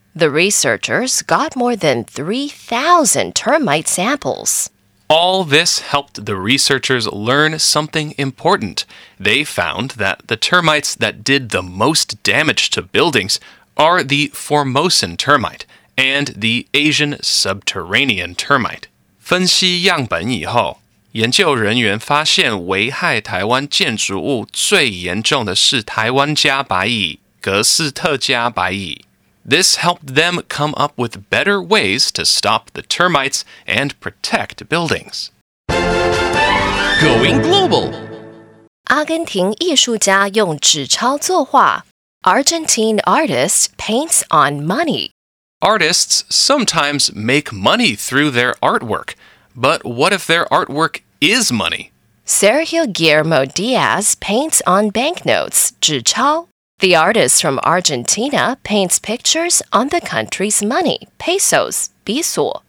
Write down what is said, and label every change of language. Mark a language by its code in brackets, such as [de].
[en] The researchers got more than 3,000 termite samples. All this helped the researchers learn something important. They found that the termites that did the most damage to buildings are the Formosan termite and the Asian subterranean termite. [zh] 分析样本以后研究人员发现危害台湾建筑物最严重的是台湾加白蚁、格斯特加白蚁。 [en] This helped them come up with better ways to stop the termites and protect buildings. Going global! [zh] 阿根廷艺术家用纸钞作画。 [en] Argentine artist paints on money. Artists sometimes make money through their artwork, but what if their artwork is money. Sergio Guillermo Diaz paints on banknotes, 纸钞. The artist from Argentina paints pictures on the country's money, pesos, 比索.